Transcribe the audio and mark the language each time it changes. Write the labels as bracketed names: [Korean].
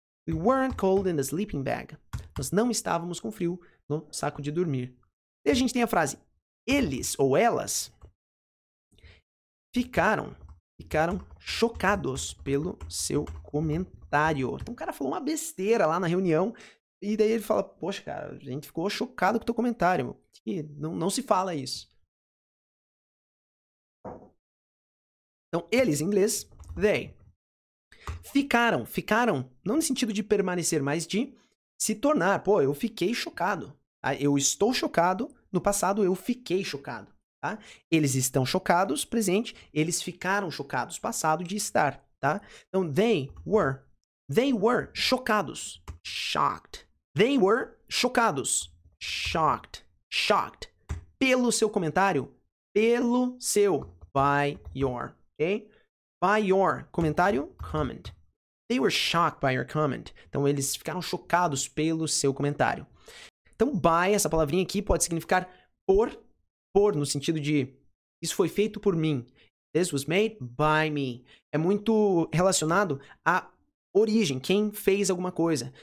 [English] We weren't cold in the sleeping bag. [Portuguese] Nós não estávamos com frio no saco de dormir. E a gente tem a frase: eles ou elas ficaram chocados pelo seu comentário. Então o cara falou uma besteira lá na reunião e daí ele fala: poxa, cara, a gente ficou chocado com o teu comentário. Não se fala isso. Então eles, em inglês, they. Ficaram, não no sentido de permanecer, mas de se tornar. Pô, eu fiquei chocado. Tá? Eu estou chocado. No passado, eu fiquei chocado. Tá? Eles estão chocados, presente. Eles ficaram chocados, passado de estar. Tá? Então, [English] they were [Portuguese] chocados. [English] Shocked. They were [Portuguese] chocados. [English] Shocked. Shocked. [Portuguese] Pelo seu comentário. Pelo seu. [English] By your. [Portuguese] Ok? [English] By your [Portuguese] comentário, [English] comment. They were shocked by your comment. [Portuguese] Então, eles ficaram chocados pelo seu comentário. Então, by, essa palavrinha aqui, pode significar por, no sentido de isso foi feito por mim. [English] This was made by me. [Portuguese] É muito relacionado à origem, quem fez alguma coisa.